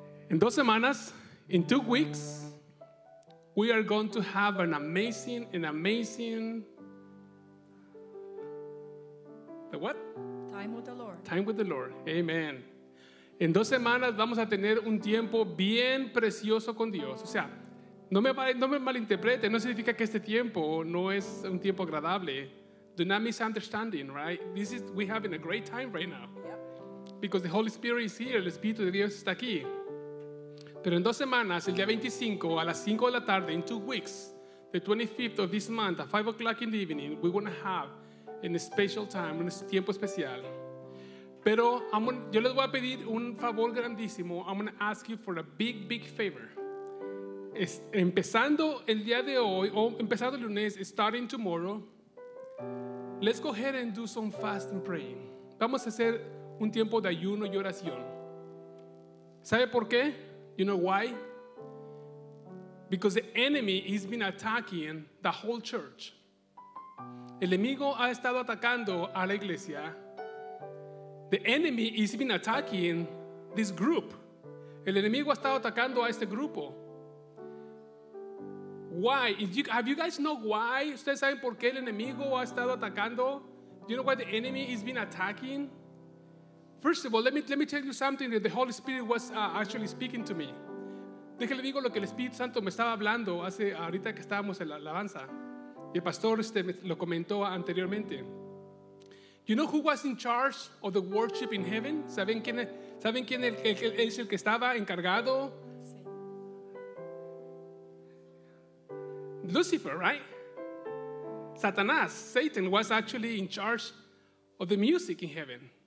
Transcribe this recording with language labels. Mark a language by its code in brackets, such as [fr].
[es] In 2 semanas, [en] in 2 weeks, we are going to have an amazing, the what? Time with the Lord. Time with the Lord. Amen. [es] In 2 semanas, vamos a tener un tiempo bien precioso con Dios. O sea, no me malinterprete, no significa que este tiempo no es un tiempo agradable. [en] Do not misunderstanding, right? This is, we're having a great time right now. Yep. Because the Holy Spirit is here, [es] el Espíritu de Dios está aquí. Pero en 2 semanas, el día 25 a las 5 de la tarde, [en] in 2 weeks, the 25th of this month, at 5 o'clock in the evening, we're going to have a special time, [es] un tiempo especial. Pero yo les voy a pedir un favor grandísimo. [en] I'm going to ask you for a big, big favor. [es] Empezando el día de hoy, o empezando el lunes, [en] starting tomorrow, let's go ahead and do some fast and praying. [es] Vamos a hacer un tiempo de ayuno y oración. ¿Sabe por qué? [en] You know why? Because the enemy has been attacking the whole church. [es] El enemigo ha estado atacando a la iglesia. [en] The enemy has been attacking this group. [es] El enemigo ha estado atacando a este grupo. [en] Why? Have you guys know why? [es] ¿Ustedes saben por qué el enemigo ha estado atacando? [en] Do you know why the enemy has been attacking? First of all, let me tell you something that the Holy Spirit was actually speaking to me. [es] Déjale digo lo que el Espíritu Santo me estaba hablando hace ahorita que estábamos en la alabanza. Y el pastor lo comentó anteriormente. [en] You know who was in charge of the worship in heaven? [es] ¿Saben quién es el que estaba encargado? Sí. [en] Lucifer, right? Satanás, Satan was actually in charge of the music in heaven.